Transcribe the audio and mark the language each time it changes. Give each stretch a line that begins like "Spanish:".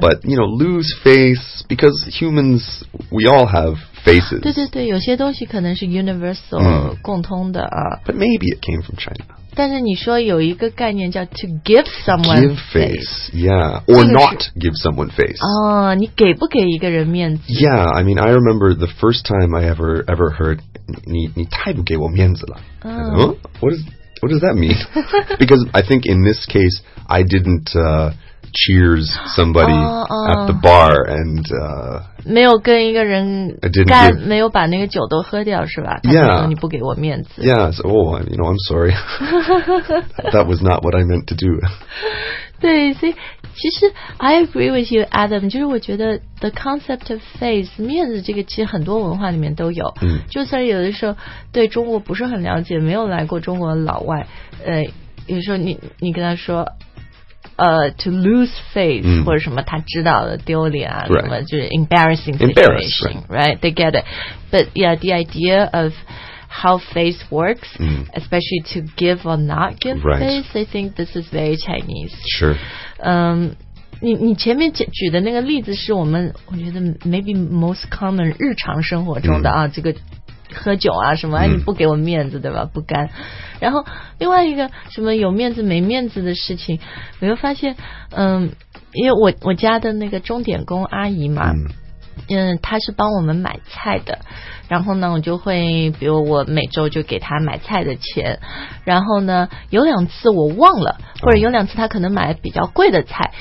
English: But you know lose face Because humans we all have faces
Chinese: 对对对有些东西可能是 universal、共通的、
English: But maybe it came from China
Chinese: 但是你说有一个概念叫
English: to give someone give face, yeah, or not give someone face.
Chinese: 哦，你给不给一个人面子
English: ？Yeah, I mean, I remember the first time I ever heard
Chinese: 你太不给我面子了。
English: What does that mean? Because I think in this case, I didn't cheers somebody at the bar and
Chinese: 没有跟一个人干
English: give,
Chinese: 没有把那个酒都喝掉是吧
English: yeah,
Chinese: 你不给我面子
English: yeah so, oh you know I'm sorry that was not what I meant to do
Chinese: 对所以其实
English: I agree with you Adam
Chinese: 就是我觉得
English: the concept of face
Chinese: 面子这个其实很多文化里面都有、就算有的时候对中国不是很了解没有来过中国的老外有时候你跟他说
English: to lose face、
Chinese: 或者什么他知道的丢脸啊、
English: right.
Chinese: 什么就是
English: embarrassing situation Embarrass, right they get it but yeah the idea of how face works、especially to give or not give、 right. face I think this is very Chinese sure
Chinese: 你前面举的那个例子是我觉得
English: maybe most common
Chinese: 日常生活中的啊、这个喝酒啊什么、你不给我面子对吧不干然后另外一个什么有面子没面子的事情我又发现因为我家的那个钟点工阿姨嘛 她是帮我们买菜的然后呢我就会比如我每周就给她买菜的钱然后呢有两次我忘了或者有两次她可能买比较贵的菜、